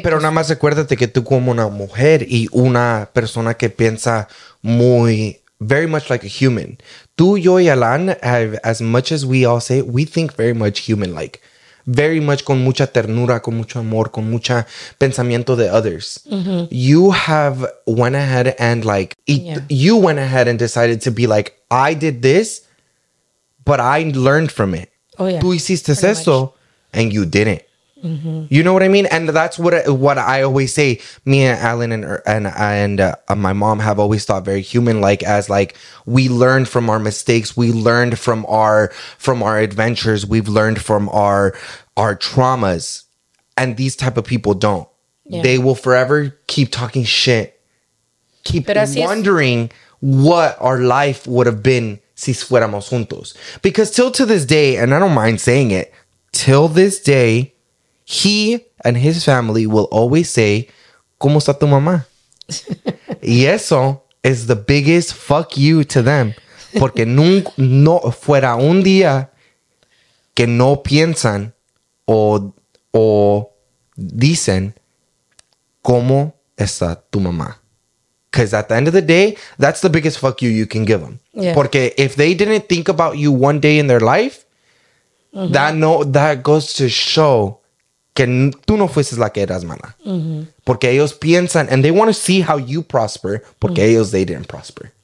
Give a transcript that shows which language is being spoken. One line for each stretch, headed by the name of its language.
Spanish: Pero nada más acuérdate que tú como una mujer y una persona que piensa muy,
English: very much like a human.
Spanish: Tú, yo y
English: Alan, as much as we all say, we think very much human-like. Very much
Spanish: con mucha ternura, con mucho amor, con mucho pensamiento de others. Mm-hmm.
English: You have went ahead and like, you went ahead and decided to be like, I did this, but I learned from it. Oh, yeah.
Spanish: Tú hiciste eso,
English: and you didn't. Mm-hmm. You know what I mean? And that's what I always say. Me and Alan and my mom have always thought very human-like as like, we learned from our mistakes. We learned from our adventures. We've learned from our traumas. And these type of people don't. Yeah. They will forever keep talking shit. Keep wondering what our life would have been
Spanish: si fuéramos juntos.
English: Because till to this day, and I don't mind saying it, till this day, he and his family will always say,
Spanish: ¿cómo está tu mamá? Y eso
English: is the biggest fuck you to them.
Spanish: Porque nunca, no fuera un día que no piensan o dicen, ¿cómo está tu mamá?
English: Because at the end of the day, that's the biggest fuck you can give them. Yeah. Porque if they didn't think about you one day in their life, mm-hmm. that goes to show
Spanish: que tú no fuiste la que eras mala. Mm-hmm. Porque ellos piensan,
English: and they want to see how you prosper, porque mm-hmm. ellos, they didn't prosper.